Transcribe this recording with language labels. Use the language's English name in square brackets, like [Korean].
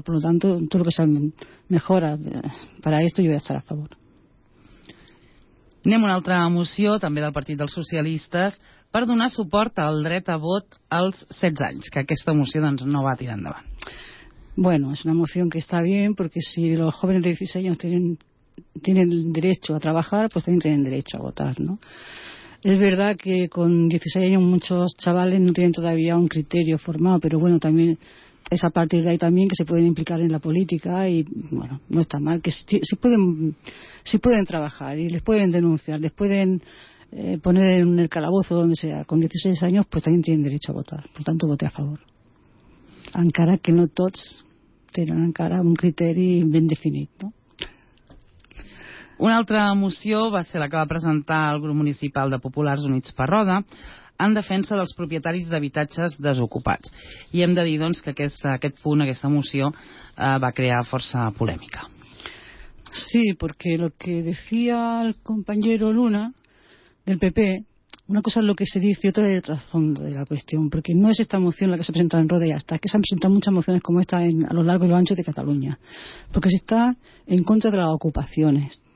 [Spanish] Por lo tanto, todo lo que sea mejora para esto, yo voy a estar a favor. [Catalan] Anem a una altra moció, també del Partit dels Socialistes, per donar suport al dret a vot als 16 anys, que aquesta moció doncs no va tirar endavant. [Spanish] Bueno, es una moción que está bien, porque si los jóvenes de 16 años tienen derecho a trabajar, pues también tienen derecho a votar, ¿no? Es verdad que con 16 años muchos chavales no tienen todavía un criterio formado, pero bueno, también es a partir de ahí también que se pueden implicar en la política y, bueno, no está mal, que si pueden trabajar y les pueden denunciar, les pueden poner en el calabozo donde sea, con 16 años, pues también tienen derecho a votar. Por tanto, voté a favor. [Catalan] Encara que [Spanish] no todos tienen encara un criterio bien definido, ¿no? [Catalan] Una altra moció va ser la que va presentar el grup municipal de Populars Units per Roda en defensa dels propietaris d'habitatges desocupats. I hem de dir doncs que aquesta moció va crear força polèmica. [Spanish] Sí, porque lo que decía el compañero Luna del PP, una cosa es lo que se dice y otra es el trasfondo de la cuestión, porque no es esta moción la que se ha presentado en Roda y hasta, es que se han presentado muchas mociones como esta a lo largo y lo ancho de Cataluña, porque se está en contra de las ocupaciones.